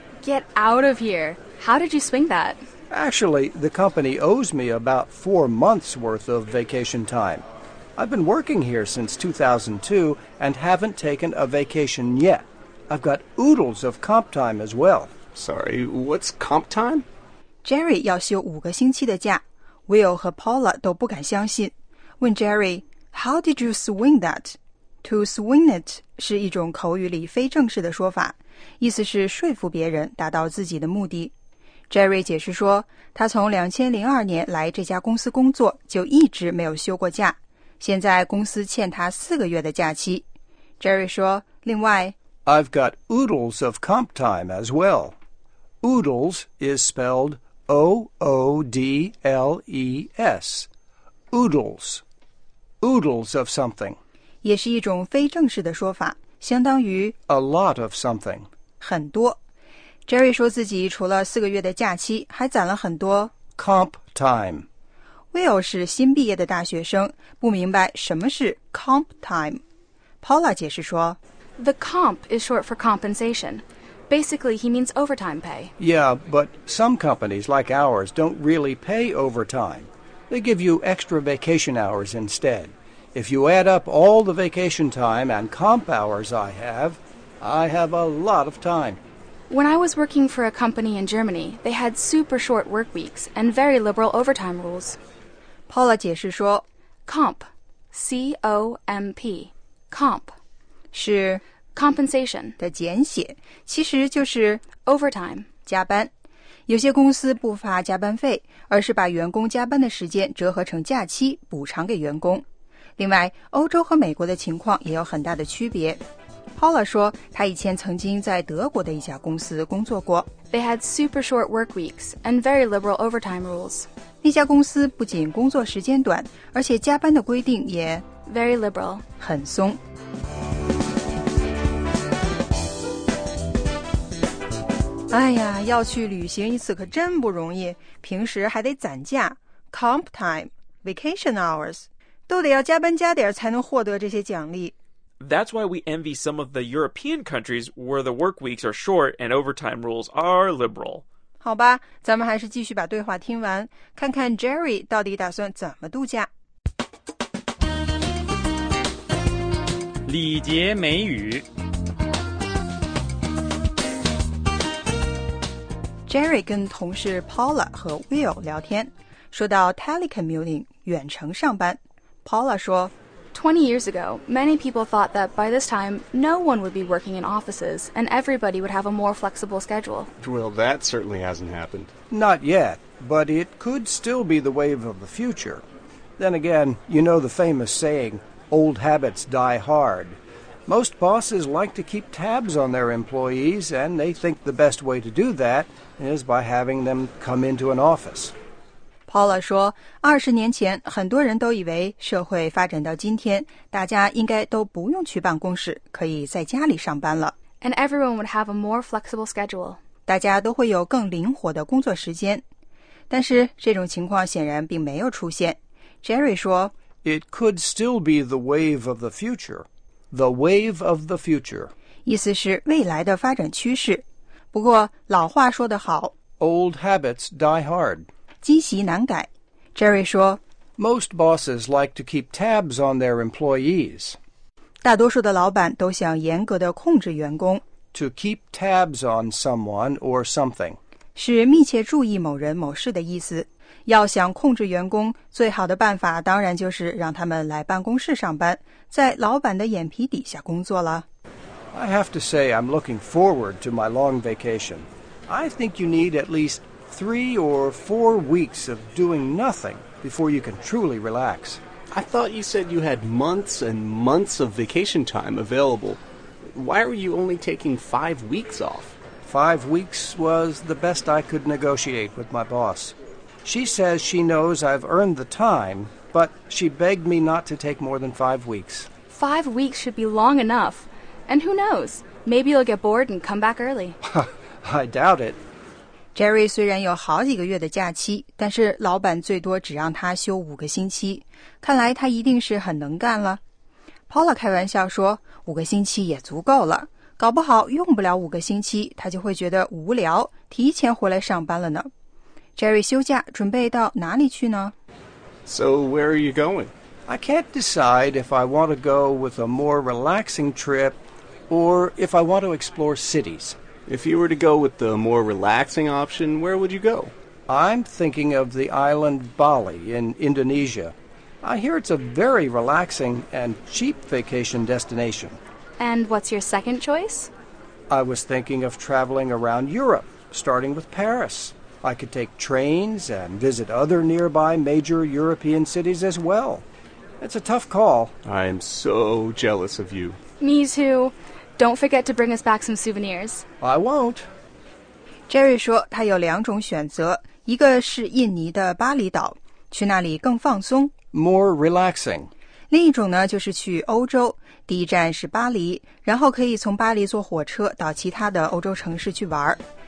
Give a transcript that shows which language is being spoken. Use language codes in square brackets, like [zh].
[en] Get out of here. How did you swing that? Actually, the company owes me about 4 months worth of vacation time. I've been working here since 2002 and haven't taken a vacation yet. I've got oodles of comp time as well. Sorry, what's comp time? [zh] Jerry 要休五个星期的假。 Will 和 Paula 都不敢相信，问 Jerry, [en] How did you swing that? To swing it [zh] 是一种口语里非正式的说法，意思是说服别人达到自己的目的。 Jerry 解释说，他从2002年来这家公司工作，就一直没有休过假，现在公司欠他四个月的假期。 Jerry 说，另外 [en] I've got oodles of comp time as well. Oodles is spelled O-O-D-L-E-S. Oodles. Oodles of something. [zh] 也是一种非正式的说法，相当于 [en] a lot of something， [zh] 很多。 Jerry 说自己除了四个月的假期，还攒了很多 [en] comp time。 [zh] Will 是新毕业的大学生，不明白什么是 comp time。 Paula 解释说 [en] ，The comp is short for compensation. Basically, he means overtime pay. Yeah, but some companies like ours don't really pay overtime. They give you extra vacation hours instead. If you add up all the vacation time and comp hours I have a lot of time. When I was working for a company in Germany, they had super short work weeks and very liberal overtime rules. [zh] Paula 解释说 [en] comp, C-O-M-P, comp, [zh] 是 [en] compensation [zh] 的简写，其实就是 [en] overtime, [zh] 加班。有些公司不发加班费，而是把员工加班的时间折合成假期，补偿给员工。另外，欧洲和美国的情况也有很大的区别。Paula 说，他以前曾经在德国的一家公司工作过。 [en] They had super short work weeks and very liberal overtime rules. [zh] 那家公司不仅工作时间短，而且加班的规定也 [en] very liberal， [zh] 很松。哎呀，要去旅行一次可真不容易，平时还得攒假 ，comp time， vacation hours。都得要加班加点才能获得这些奖励。 [en] That's why we envy some of the European countries where the work weeks are short and overtime rules are liberal. [zh] 好吧，咱们还是继续把对话听完，看看 Jerry 到底打算怎么度假。礼节美语。 Jerry 跟同事 Paula 和 Will 聊天，说到 telecommuting 远程上班。 Paula 说 [en] 20 years ago, many people thought that by this time, no one would be working in offices and everybody would have a more flexible schedule. Well, that certainly hasn't happened. Not yet, but it could still be the wave of the future. Then again, you know the famous saying, old habits die hard. Most bosses like to keep tabs on their employees and they think the best way to do that is by having them come into an office. [zh] Paula 说，二十年前很多人都以为社会发展到今天，大家应该都不用去办公室，可以在家里上班了。 [en] And everyone would have a more flexible schedule. [zh] 大家都会有更灵活的工作时间。但是这种情况显然并没有出现。 Jerry 说 [en] ，It could still be the wave of the future. The wave of the future. [zh] 意思是未来的发展趋势。不过老话说得好 [en] ，Old habits die hard. [zh] 积习难改 ，Jerry 说。 [en] Most bosses like to keep tabs on their employees. [zh] 大多数的老板都想严格的控制员工。 [en] To keep tabs on someone or something [zh] 是密切注意某人某事的意思。要想控制员工，最好的办法当然就是让他们来办公室上班，在老板的眼皮底下工作了。 [en] I have to say I'm looking forward to my long vacation. I think you need at least. Three or four weeks of doing nothing before you can truly relax. I thought you said you had months and months of vacation time available. Why were you only taking 5 weeks off? 5 weeks was the best I could negotiate with my boss. She says she knows I've earned the time, but she begged me not to take more than 5 weeks. 5 weeks should be long enough. And who knows? Maybe you'll get bored and come back early. I doubt it. [zh] Jerry 虽然有好几个月的假期，但是老板最多只让他休5个星期，看来他一定是很能干了。 Paula 开玩笑说，5个星期也足够了，搞不好用不了5个星期，他就会觉得无聊，提前回来上班了呢。 Jerry 休假，准备到哪里去呢 [en] ？So where are you going? I can't decide if I want to go with a more relaxing trip, or if I want to explore cities. If you were to go with the more relaxing option, where would you go? I'm thinking of the island Bali in Indonesia. I hear it's a very relaxing and cheap vacation destination. And what's your second choice? I was thinking of traveling around Europe, starting with Paris. I could take trains and visit other nearby major European cities as well. It's a tough call. I am so jealous of you. Me too. Don't forget to bring us back some souvenirs. I won't. [zh] Jerry 说他有两种选择，一个是印尼的巴厘岛，去那里更放松。 [en] More relaxing. [zh] 另一种呢，就是去欧洲，第一站是巴黎，然后可以从巴黎坐火车到其他的欧洲城市去玩。